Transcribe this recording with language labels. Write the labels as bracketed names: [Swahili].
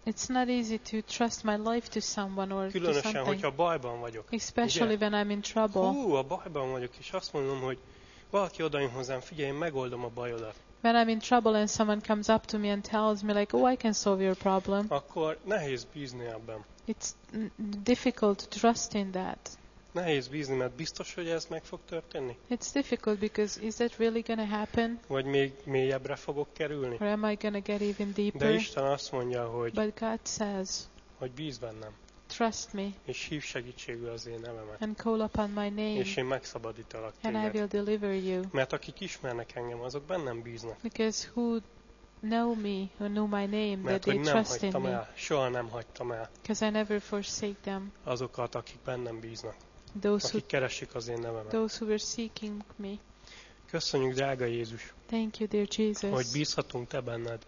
[English] It's not easy to trust my life to someone or [Hungarian] Különösen, [English] to something. [Hungarian] Különösen, hogyha bajban vagyok. [English] Especially [Hungarian] ugye? [English] When I'm in trouble. [Hungarian] Hú, a bajban vagyok, és azt mondom, hogy valaki odajön hozzám, figyelj, én megoldom a bajodat. [English] When I'm in trouble and someone comes up to me and tells me like, oh, I can solve your problem. [Hungarian] Akkor nehéz bízni abban. [English] It's difficult to trust in that. [Hungarian] Nehéz bízni, mert biztos, hogy ez meg fog történni? [English] It's difficult because is that really gonna happen? [Hungarian] Vagy még mélyebbre fogok kerülni? [English] Or am I gonna get even deeper? [Hungarian] De Isten azt mondja, hogy [English] But God says, [Hungarian] hogy bíz bennem. [English] Trust me. [Hungarian] És hív segítségül az én nevemet. [English] And call upon my name. [Hungarian] És én megszabadítalak téged. [English] And I will deliver you. [Hungarian] Mert akik ismernek engem, azok bennem bíznak. [English] Because who know me, who know my name, [Hungarian] mert [English] that they trust in me. [Hungarian] El, soha nem hagytam el. [English] Because I never forsake them. [Hungarian] Azokat, akik bennem bíznak. [English] Those [Hungarian] akik keresik az én nevemet. [English] Those who were seeking me. [Hungarian] Köszönjük, drága Jézus. [English] Thank you, dear Jesus. [Hungarian] Hogy bízhatunk te benned.